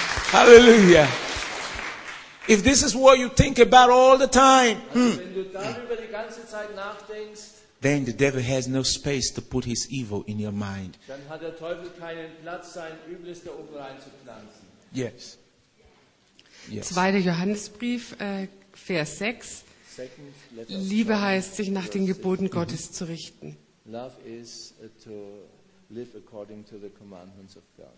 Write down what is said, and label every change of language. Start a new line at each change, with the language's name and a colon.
English: Hallelujah. If this is what you think about all the time, then the devil has no space to put his evil in your mind.
German: Dann hat der Teufel keinen Platz, sein Übles da oben reinzupflanzen.
English: Yes.
German: Zweiter Johannesbrief, Vers 6. Liebe heißt, sich nach den Geboten Gottes zu richten.
English: Love is to live according to the commandments of God.